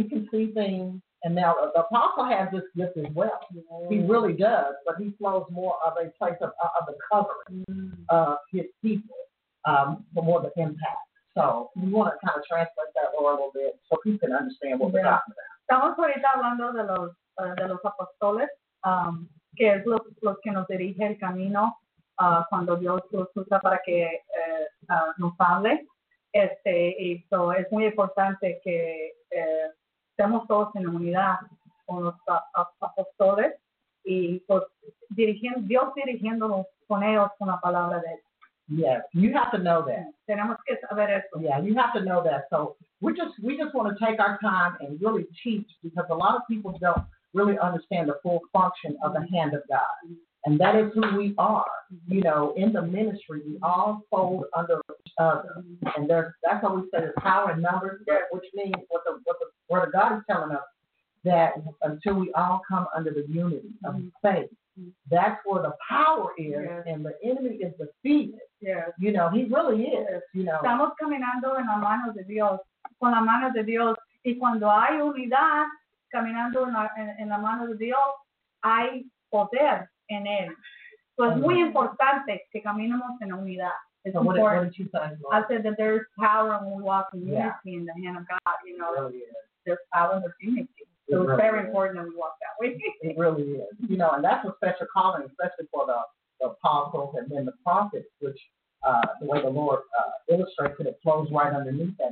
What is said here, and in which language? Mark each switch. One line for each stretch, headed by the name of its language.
English: He can see things. And now the apostle has this gift as well. Mm-hmm. He really does, but he flows more of a place of the covering of his people for more of the impact. So we want to kind of translate that a little bit so people can understand what we're talking about.
Spanish: Estamos ahorita hablando de los apóstoles, que es los que nos dirige el camino cuando Dios los usa para que nos hable. Y so es muy importante que estamos todos en unidad con los apóstoles y pues, Dios dirigiéndonos con ellos con la palabra de él.
English: Yes, you have to know that.
Spanish: Tenemos que saber eso.
English: Yeah, you have to know that. So we just want to take our time and really teach, because a lot of people don't really understand the full function of the hand of God. And that is who we are. You know, in the ministry, we all fold under each other. And that's how we say there's power in numbers, which means what the God is telling us, that until we all come under the unity of faith, that's where the power is, yes. And the enemy is defeated. Yes. You know, he really is, you know.
Spanish: Estamos caminando en la mano de Dios, con la mano de Dios. Y cuando hay unidad, caminando en la mano de Dios, hay poder en él. So es muy importante que caminemos en unidad.
English: It's so important. What I said that there's power when we walk in unity, yeah. In the hand of God, you know. Really, there's power in the unity. So it's very really important that we walk that way. It really is. You know, and that's a special calling, especially for the apostles and then the prophets, which the way the Lord illustrates it, it flows right underneath that.